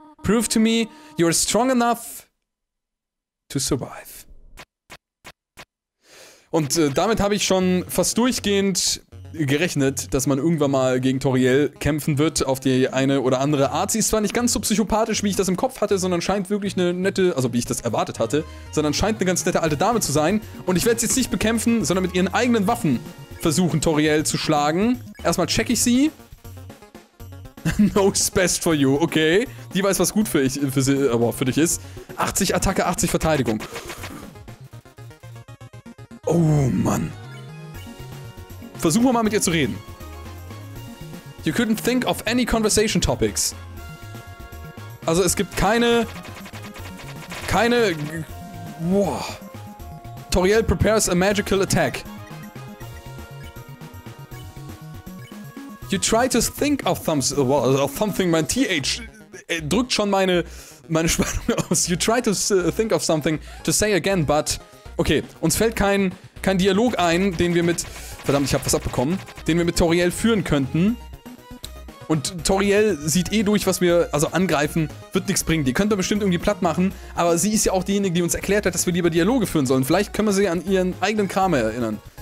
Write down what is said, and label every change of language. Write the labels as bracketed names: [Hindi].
[English] Prove to me you are strong enough to survive. [German] Und damit habe ich schon fast durchgehend gerechnet, dass man irgendwann mal gegen Toriel kämpfen wird, auf die eine oder andere Art. Sie ist zwar nicht ganz so psychopathisch, wie ich das im Kopf hatte, sondern scheint wirklich eine nette, also wie ich das erwartet hatte, sondern scheint eine ganz nette alte Dame zu sein. Und ich werde sie jetzt nicht bekämpfen, sondern mit ihren eigenen Waffen versuchen, Toriel zu schlagen. Erstmal check ich sie. [English] Knows best for you, okay. [German] Die weiß, was gut für dich ist. 80 Attacke, 80 Verteidigung. Oh Mann. Versuchen wir mal mit ihr zu reden. [English] You couldn't think of any conversation topics. [German] Also es gibt keine. Boah. [English] Toriel prepares a magical attack. You try to think of something. [German] Mein TH drückt schon meine Spannung aus. [English] You try to think of something to say again, but. [German] Okay, uns fällt kein Dialog ein, den wir mit. Verdammt, ich hab was abbekommen. Den wir mit Toriel führen könnten. Und Toriel sieht eh durch, was wir. Also angreifen, wird nichts bringen. Die könnte bestimmt irgendwie platt machen. Aber sie ist ja auch diejenige, die uns erklärt hat, dass wir lieber Dialoge führen sollen. Vielleicht können wir sie an ihren eigenen Kram erinnern.